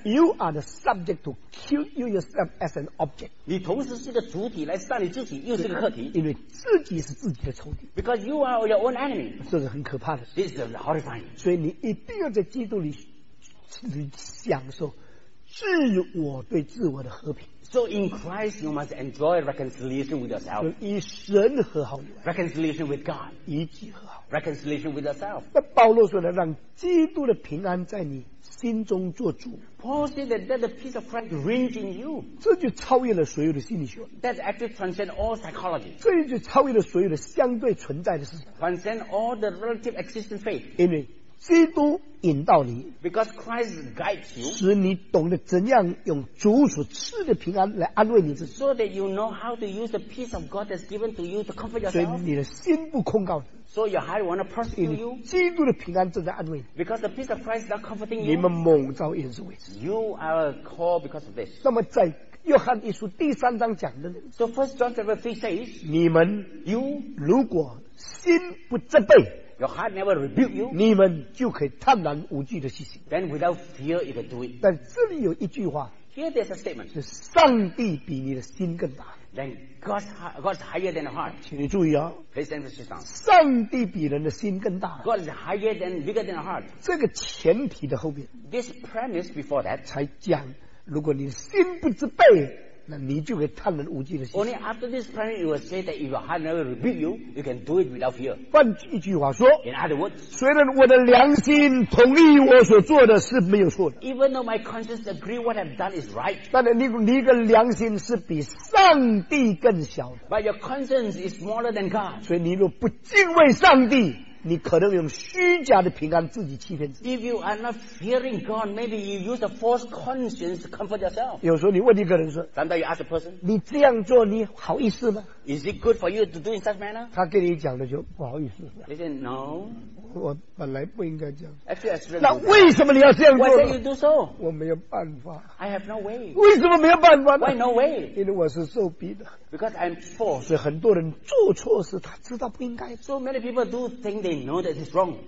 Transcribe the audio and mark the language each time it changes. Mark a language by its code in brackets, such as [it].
[en] You are the subject to kill you yourself as an object. [zh] 你同时是个主体来杀你自己，又是个客体。因为自己是自己的仇敌。 [en] Because you are your own enemy. [zh] 这是很可怕的。 [en] This is horrifying. [zh] 所以你一定要在基督里，去享受自我对自我的和平。 [en] So in Christ, you must enjoy reconciliation with yourself. [zh] 与神和好。 [en] Reconciliation with God. [zh] 与己和好。 [en] Reconciliation with yourself. [zh] 那保罗说呢，让基督的平安在你心中做主。 [en] Paul said that let the peace of Christ reign in you. [zh] 这就超越了所有的心理学。 [en] That actually transcends all psychology. [zh] 这就超越了所有的相对存在的事情。 [en] Transcends all the relative existent faith. [zh] 因为基督引导你， [en] Because Christ guides you, [zh] 使你懂得怎样用主所赐的平安来安慰你自己。 [en] So that you know how to use the peace of God that's given to you to comfort yourself. [zh] 所以你的心不控告。 [en] So your heart want to persecute you. [zh] 基督的平安正在安慰你。 [en] Because the peace of Christ is not comforting you. [zh] 你们蒙召也是为此。 [en] You are called because of this. [zh] 那么在约翰一书第三章讲的， [en] So first John chapter 3 says, [zh] 你们 [en] you [zh] 如果心不责备。 [en] Your heart never rebuke you. [zh] 你们就可以坦然无惧的去行。 [en] Then without fear, you can do it. [zh] 但这里有一句话。 [en] Here there's a statement. [zh] 是上帝比你的心更大。 [en] Then God's higher than the heart. [zh] 请你注意啊。 [en] Please emphasize on. [zh] 上帝比人的心更大。 [en] God is higher than bigger than the heart. [zh] 这个前提的后面。 [en] This premise before that. [zh] 才讲，如果你心不自卑。那你就会坦然无惧的。 [en] Only after this prayer, you will say that if your heart never rebuke you, you can do it without fear. [zh] 换一句话说， [en] In other words, [zh] 虽然我的良心同意我所做的是没有错的， [en] Even though my conscience agree what I've done is right, [zh] 但你的良心是比上帝更小的。 [en] But your conscience is smaller than God. [zh] 所以你若不敬畏上帝，你可能用虚假的平安自己欺骗自己。 [en] If you are not fearing God, maybe you use a false conscience to comfort yourself. [zh] 有时候你问一个人说， [en] Sometimes you ask a person, [zh] 你这样做你好意思吗？ [en] Is it good for you to do in such manner? [zh] 他跟你讲的就不好意思。 [en] He said, no. [zh] 我本来不应该这样。 [en] Actually, [zh] 那为什么你要这样做？ [en] Why did you do so? [zh] 我没有办法。 [en] I have no way. [zh] 为什么没有办法呢？ [en] Why no way? [zh] 因为我是受逼的。 [en] Because I'm forced. [zh] 所以很多人做错事他知道不应该。 [en] So many people do think they know that it's wrong.